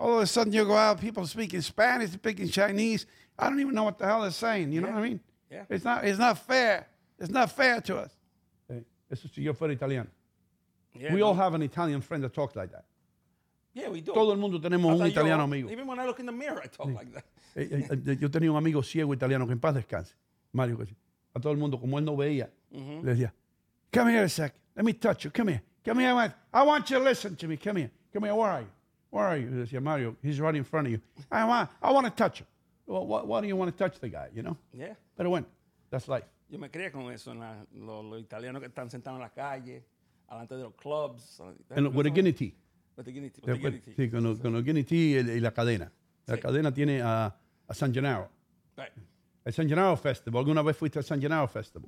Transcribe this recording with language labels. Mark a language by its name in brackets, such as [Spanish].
[English] All of a sudden you go out, people speaking Spanish, speaking Chinese. I don't even know what the hell they're saying, you yeah. know what I mean? Yeah. It's not fair. It's not fair to us. [Spanish] Eso es yo fuera italiano. [English] Yeah, we all have an Italian friend that talks like that. Yeah, we do. [Spanish] Todo el mundo tenemos Hasta un italiano amigo. [English] Even when I look in the mirror, I talk [Spanish] sí. [English] like that. [Spanish] Yo tenía un amigo ciego italiano, que en paz descanse. Mario, a todo el mundo, como él no veía, mm-hmm. le decía, [English] come here a sec, let me touch you, come here, I want you to listen to me, come here, where are you, le decía Mario, he's right in front of you, I want to touch you, why do you want to touch the guy, you know? Yeah. [Spanish] Pero bueno, [English] that's life. [Spanish] Yo me creía con eso, los italianos que están sentados en la calle, alante de los clubs. [English] With a guinea tea. With the guinea tea. [Spanish] Sí, con el guinea tea y la cadena. La sí. cadena tiene a San Gennaro. [English] Right. [Spanish] El San Gennaro Festival. ¿Alguna vez fuiste al San Gennaro Festival?